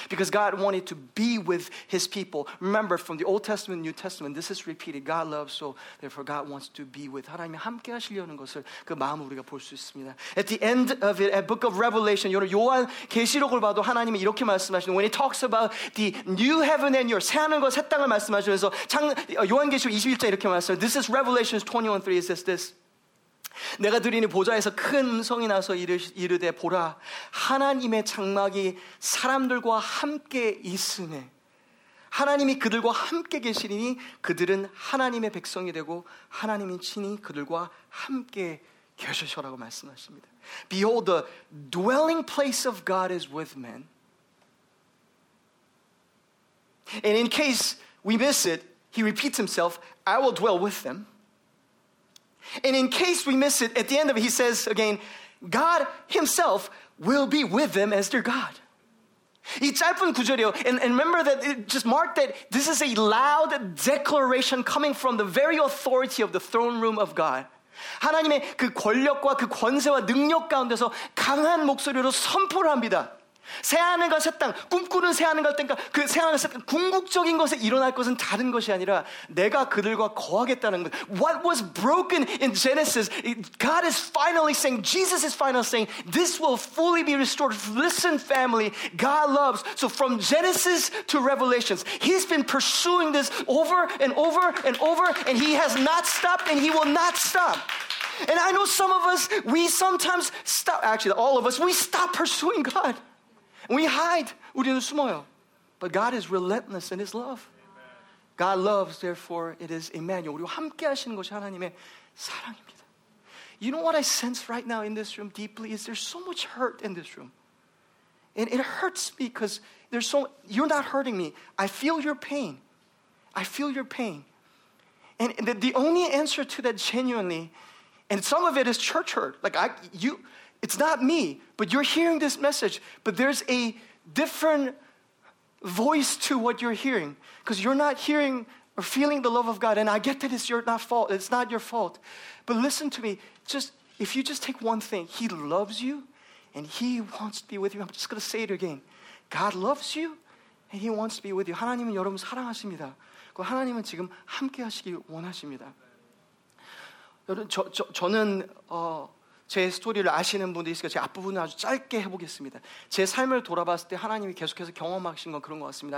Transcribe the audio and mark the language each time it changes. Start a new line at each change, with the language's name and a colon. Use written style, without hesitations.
English: Because God wanted to be with his people. Remember from the Old Testament and New Testament, this is repeated. God loves, so therefore God wants to be with.
Korean: 하나님이 함께 하시려는 것을 그 마음을 우리가 볼 수 있습니다.
English: At the end of it, at Book of Revelation,
Korean: 여러분 요한 계시록을 봐도 하나님이 이렇게 말씀하시는
English: When he talks about the new heaven and your
Korean: 새하늘과 새 땅을 말씀하시면서 요한 계시록 21장 이렇게 말씀하세요.
English: This is Revelation. 21:3 says this.
Korean: 내가 들으니 보좌에서 큰 음성이 나서 이르되 보라 하나님의 장막이 사람들과 함께 있으네 하나님이 그들과 함께 계시니 그들은 하나님의 백성이 되고 하나님이 친히 그들과 함께 계셔라고 말씀하십니다.
English: Behold, the dwelling place of God is with men. And in case we miss it, he repeats himself, I will dwell with them. And in case we miss it, at the end of it, he says again, God himself will be with them as their God.
Korean: 이 짧은 구절이요.
English: And remember that, just mark that this is a loud declaration coming from the very authority of the throne room of God.
Korean: 하나님의 그 권력과 그 권세와 능력 가운데서 강한 목소리로 선포를 합니다. 새하늘과 새 땅, 꿈꾸는 새하늘과 땅, 그 새하늘과 새 땅, 궁극적인 것에 일어날 것은 다른 것이 아니라 내가 그들과 거하겠다는 것.
English: What was broken in Genesis, God is finally saying, Jesus is finally saying, this will fully be restored. Listen, family, God loves. So from Genesis to Revelations, he's been pursuing this over and over and over, and he has not stopped, and he will not stop. And I know some of us, we sometimes stop, actually all of us, we stop pursuing God. We hide,
Korean: 우리는 숨어요.
English: But God is relentless in his love. Amen. God loves, therefore it is Emmanuel.
Korean: 우리와 함께 하시는 것이 하나님의 사랑입니다.
English: You know what I sense right now in this room deeply is there's so much hurt in this room. And it hurts me because there's so, you're not hurting me. I feel your pain. I feel your pain. And the only answer to that genuinely, and some of it is church hurt. Like it's not me, but you're hearing this message, but there's a different voice to what you're hearing because you're not hearing or feeling the love of God, and I get that it's not your fault. But listen to me, if you just take one thing, he loves you and he wants to be with you. I'm just going to say it again. God loves you and he wants to be with you.
Korean: 하나님은 여러분 사랑하십니다. 그 하나님은 지금 함께 하시길 원하십니다. 여러분, 저는 제 스토리를 아시는 분들이 있으니까 제 앞부분을 아주 짧게 해보겠습니다. 제 삶을 돌아봤을 때 하나님이 계속해서 경험하신 건 그런 것 같습니다.